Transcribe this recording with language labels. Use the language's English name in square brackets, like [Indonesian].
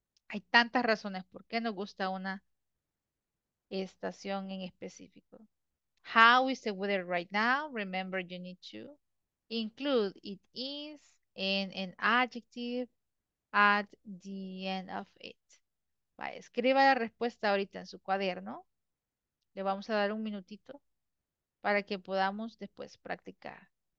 [Spanish] Hay tantas razones por qué nos gusta una estación en específico. [English] How is the weather right now? Remember, you need to include it is in an adjective at the end of it. [Spanish] Vaya, escriba la respuesta ahorita en su cuaderno. Le vamos a dar un minutito para que podamos después practicar.